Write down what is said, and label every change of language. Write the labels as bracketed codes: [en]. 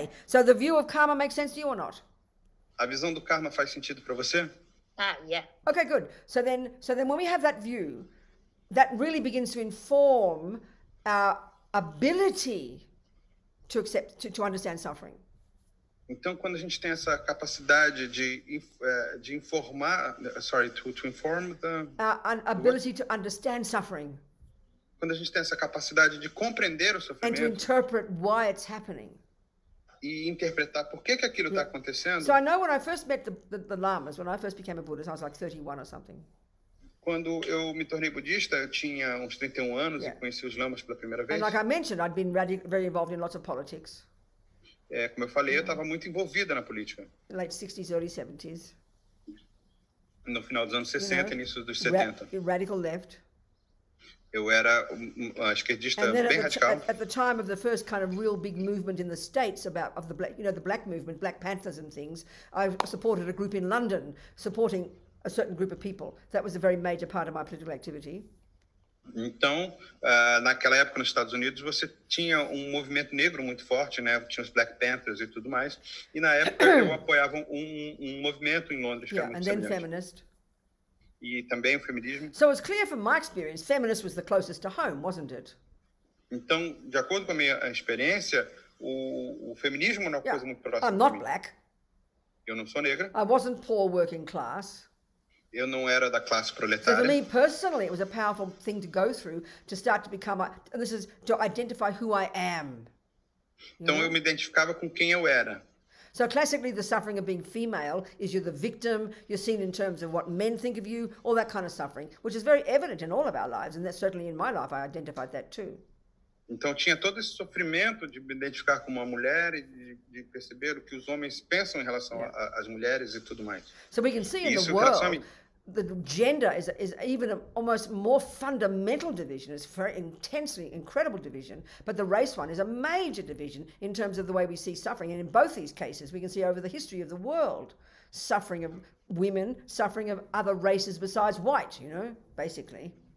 [en] So the view of karma makes sense to you or not? [pt] A visão do karma faz sentido para você? Yeah. [en] Okay, good. So then when we have that view, that really begins to inform our ability to accept, to understand suffering. [pt] Então, quando a gente tem essa capacidade de informar, [en] sorry, to inform the... ability to understand suffering. [pt] Quando a gente tem essa capacidade de compreender o sofrimento. [en] And to interpret why it's happening. [pt] E interpretar por que aquilo está acontecendo. [en] So I know when I first met the lamas, when I first became a Buddhist, I was like 31 or something. [pt] Quando eu me tornei budista, eu tinha uns 31 anos e conheci os lamas pela primeira vez. [en] And like I mentioned, I'd been very involved in lots of politics. [pt] É, como eu falei, eu estava muito envolvida na política. [en] Late 60s, early 70s. [pt] No final dos anos 60, início dos 70. [en] Radical left. [pt] Eu era uma esquerdista [en] and [pt] bem [en] at [pt] radical. [en] At the time of the first kind of real big movement in the States of the black, you know, the black movement, Black Panthers and things, I supported a group in London supporting a certain group of people. That was a very major part of my political activity. [pt] Então, naquela época nos Estados Unidos, você tinha um movimento negro muito forte, né? Tinha os Black Panthers e tudo mais. E na época eu apoiava um movimento em Londres que era muito semelhante. [en] Then feminist. [pt] E também o feminismo. [en] So it's clear from my experience, feminist was the closest to home, wasn't it? [pt] Então, de acordo com a minha experiência, o feminismo era uma coisa muito próxima. [en] I'm not black. [pt] Eu não sou negra. [en] I wasn't poor working class. [pt] Eu não era da classe proletária. [en] So for me personally, it was a powerful thing to go through to start to become, and this is to identify who I am. [pt] Então eu me identificava com quem eu era. [en] So classically, the suffering of being female is you're the victim, you're seen in terms of what men think of you, all that kind of suffering, which is very evident in all of our lives, and that's certainly in my life, I identified that too. [pt] Então tinha todo esse sofrimento de me identificar com uma mulher e de perceber o que os homens pensam em relação às mulheres e tudo mais. [en] So we can see in the world, the gender is even a almost more fundamental division. It's very intensely incredible division, but the race one is a major division in terms of the way we see suffering. And in both these cases, we can see over the history of the world, suffering of women, suffering of other races besides white, you know, basically.